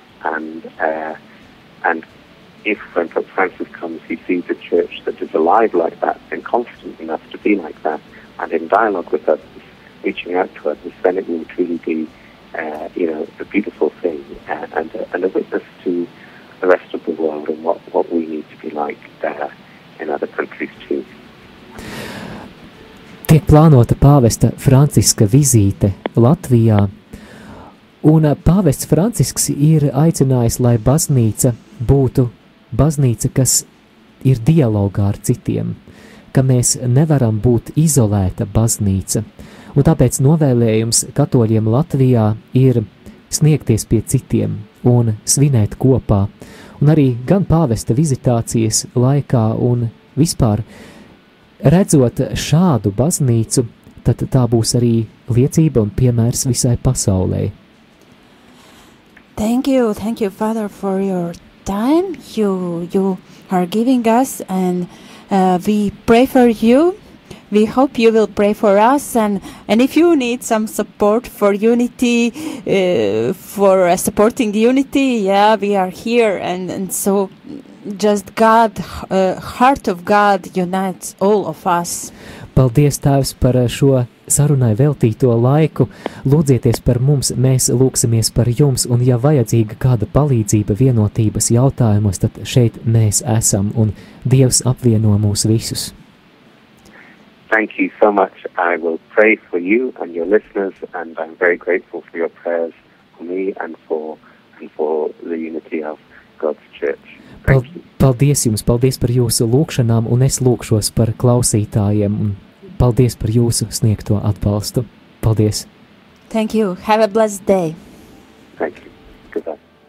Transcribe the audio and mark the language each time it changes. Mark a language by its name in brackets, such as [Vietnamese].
[English] And if when Pope Francis comes, he sees a church that is alive like that and confident enough to be like that, and in dialogue with others, reaching out to others, then it will truly be, a beautiful thing and a witness to the rest of the world and what we need to be like there in other countries too. [Latvian] Tiek plānota pāvesta Franciska vizīte Latvijā, un pāvests Francisks ir aicinājis, lai baznīca būtu baznīca, kas ir dialogā ar citiem. Ka mēs nevaram būt izolēta baznīca. Un tāpēc novēlējums katoļiem Latvijā ir sniegties pie citiem un svinēt kopā. Un arī gan pāvesta vizitācijas laikā un vispār redzot šādu baznīcu, tad tā būs arī liecība un piemērs visai pasaulē. [English] Thank you, Father, for your time you are giving us and we pray for you. We hope you will pray for us and if you need some support for unity for supporting unity, yeah, we are here and so just God heart of God unites all of us. [Latvian] Paldies Tēvs par šo sarunai veltīto laiku. Lūdzieties par mums, mēs lūksimies par jums un ja vajadzīga kāda palīdzība vienotības jautājumos, tad šeit mēs esam un Dievs apvieno mūs visus. [English] Thank you so much. I will pray for you and your listeners and I'm very grateful for your prayers for me and for the unity of God's church. [Latvian] Paldies jums, paldies par jūsu lūkšanām un es lūkšos par klausītājiem. Paldies par jūsu sniegto atbalstu. Paldies. [English] Thank you. Have a blessed day. Thank you. Goodbye.